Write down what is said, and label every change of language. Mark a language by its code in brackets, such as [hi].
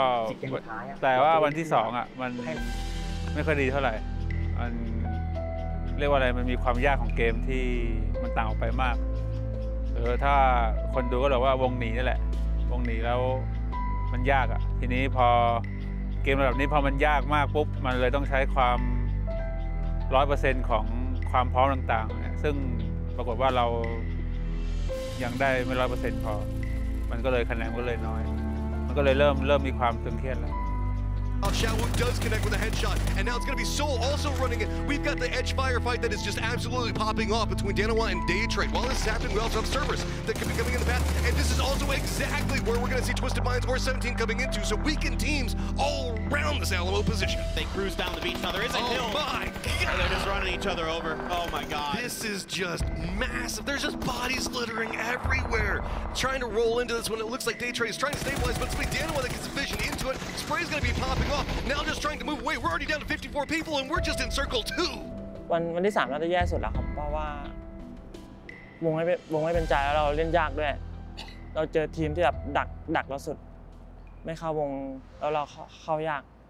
[th] สิ่งสุดท้ายแต่ว่าวันที่2อ่ะมันไม่ค่อยดีเท่าไหร่มันเรียกว่าอะไรมันมีความยากของเกมที่มันต่างออกไปมากถ้าคนดูก็บอกว่าวงหนีนี่แหละวงหนีแล้วมันยากอ่ะทีนี้พอเกมระดับนี้พอมันยากมากปุ๊บมันเลยต้องใช้ความ 100% ของความพร้อมต่างๆซึ่งปรากฏว่าเรายังได้ไม่ 100% พอมันก็เลยคะแนนก็เลยน้อยมันก็เลยเริ่มมีความตึงเครียดแล้ว [en] Shawu does connect with a headshot, and now it's going to be Soul also running it. We've got the edge firefight that is just absolutely popping off between Danawa and Daytrade. While this is happening, we also have servers that could be coming in the path, and this is also exactly where we're going to see Twisted Minds or 17 coming into, so weakened teams all around this Alamo position. They cruise down the beach. Now there is a hill. Oh my god! And they're just running each other over. Oh my god. This is just massive. There's just bodies littering everywhere. Trying to roll into this one. It looks like Daytrade is trying to stabilize, but it's going to be Danawa that gets a vision into it. Spray's going to be popping. Now just trying to move away. We're already down to 54 people, and we're just in circle two. [th] วันที่สามเราจะแย่สุดแล้วครับเพราะว่าวงไม่เป็นใจแล้วเราเล่นยากด้วยเราเจอทีมที่แบบดักเราสุดไม่เข้าวงแล้วเราเข้ายาก